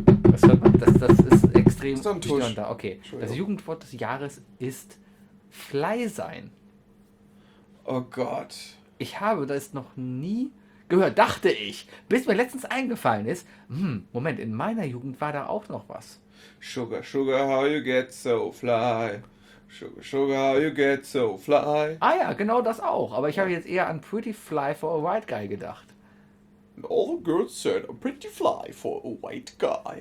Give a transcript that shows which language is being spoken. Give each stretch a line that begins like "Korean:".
German: Das hört man, das ist extrem störend da. Okay. Entschuldigung. Das Jugendwort des Jahres ist Fly sein. Oh Gott. Ich habe das noch nie gehört, dachte ich, bis mir letztens eingefallen ist, Moment, in meiner Jugend war da auch noch was.
English: Sugar, sugar, how you get so fly. Sugar, sugar, how you get so fly.
German: Ah ja, genau das auch. Aber ich habe jetzt eher an Pretty Fly for a White Guy gedacht.
English: And all the girls said a pretty fly for a white guy.